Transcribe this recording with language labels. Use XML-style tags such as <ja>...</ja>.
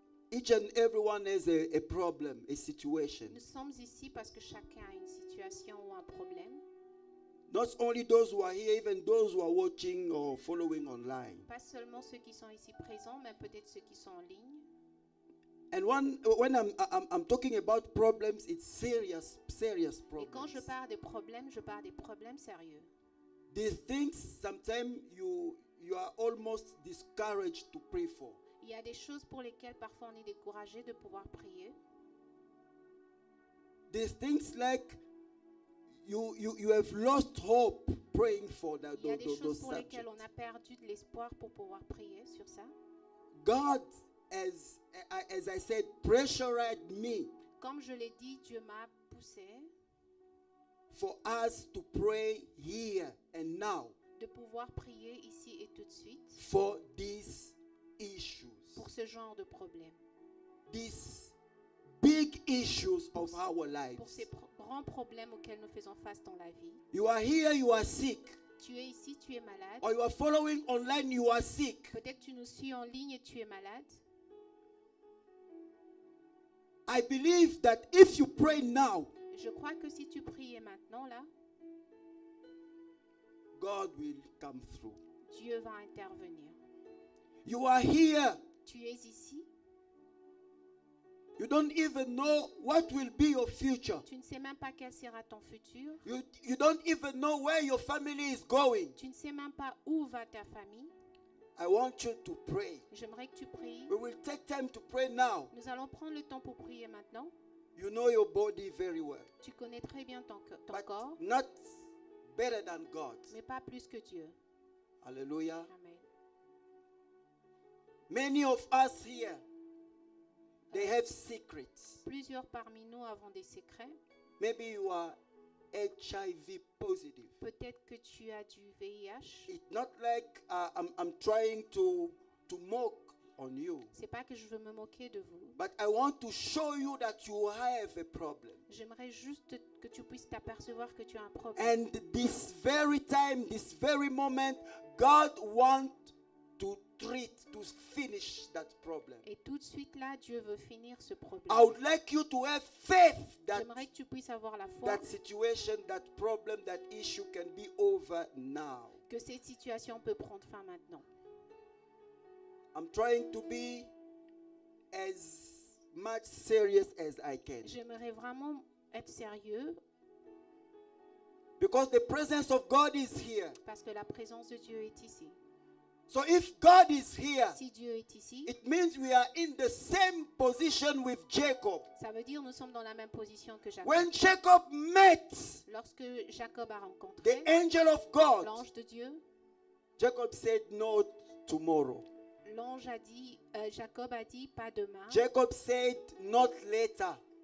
<en>Each and everyone has a problem, a situation.</en> <fr>Nous sommes ici parce que chacun a une situation ou un problème.</fr> <en>Not only those who are here, even those who are watching or following online.</en> <fr>Pas seulement ceux qui sont ici présents, mais peut-être ceux qui sont en ligne.</fr> <en>And when I'm talking about problems, it's serious problems.</en> <fr>Et quand je parle des problèmes, je parle des problèmes sérieux.</fr> <en>The things sometimes you are almost discouraged to pray for.</en> <fr>Il y a des choses pour lesquelles parfois on est découragé de pouvoir prier.</fr> <en>The things like you have lost hope praying for that.</en> <fr>Il y a des choses pour</fr> <en>subjects.</en> <fr>Lesquelles on a perdu de l'espoir pour pouvoir prier sur ça.</fr> <en>God as I said pressurized me.</en> <fr>Comme je l'ai dit, Dieu m'a poussé.</fr> <en>for us to pray here and now.</en> <fr>De pouvoir prier ici et tout de suite.</fr> <en>For these issues.</en> <fr>Pour ce genre de problèmes.</fr> <en>These big issues of our lives.</en> <fr>Pour ces grands problèmes auxquels nous faisons face dans la vie.</fr> <en>You are here, you are sick.</en> <fr>Tu es ici, tu es malade.</fr> <en>Or you are following online, you are sick.</en> <fr>Peut-être tu nous suis en ligne et tu es malade.</fr> <en>I believe that if you pray now,</en> <fr>je crois que si tu priais maintenant là,</fr> <en>God will come through.</en> <fr>Dieu va intervenir.</fr> <en>You are here.</en> <fr>Tu es ici.</fr> <en>You don't even know what will be your future.</en> <fr>Tu ne sais même pas quel sera ton futur.</fr> <en>You don't even know where your family is going.</en> <fr>Tu ne sais même pas où va ta famille.</fr> <en>I want you to pray.</en> <fr>J'aimerais que tu pries.</fr> <en>We will take time to pray now.</en> <fr>Nous allons prendre le temps pour prier maintenant.</fr> <en>You know your body very well.</en> <fr>Tu connais très bien ton corps.</fr> <en>Not better than God.</en> <fr>Mais pas plus que Dieu.</fr> <en>Hallelujah. Amen. Many of us here, they have secrets.</en> <fr>Plusieurs parmi nous avons des secrets.</fr> <en>Maybe you are HIV positive.</en> <fr>Peut-être que tu as du VIH.</fr> <en>It's not like I'm trying to mock on you.</en> <fr>C'est pas que je veux me moquer de vous.</fr> <en>But I want to show you that you have a problem.</en> <fr>J'aimerais juste que tu puisses t'apercevoir que tu as un problème.</fr> <en>And this very time, this very moment, God wants to treat, to finish that problem.</en> <fr>Et tout de suite là, Dieu veut finir ce problème.</fr> <en>I would like you to have faith that</en> <fr>j'aimerais que tu puisses avoir la foi.</fr> <en>That situation, that problem, that issue can be over now.</en> <fr>Que cette situation peut prendre fin maintenant.</fr> <en>I'm trying to be as much serious as I can.</en> <fr>J'aimerais vraiment être sérieux.</fr> <en>Because the presence of God is here.</en> <fr>Parce que la présence de Dieu est ici.</fr> <en>So if God is here,</en> <fr>si Dieu est ici,</fr> <en>it means we are in the same position with Jacob.</en> <fr>Ça veut dire nous sommes dans la même position que Jacob.</fr> <en>When Jacob met,</en> <fr>lorsque Jacob a rencontré</fr> <en>the angel of God,</en> <fr>l'ange de Dieu,</fr> <en>Jacob said no tomorrow.</en> <fr>L'ange a dit, Jacob a dit pas demain.</fr> <en>Jacob said not later.</en>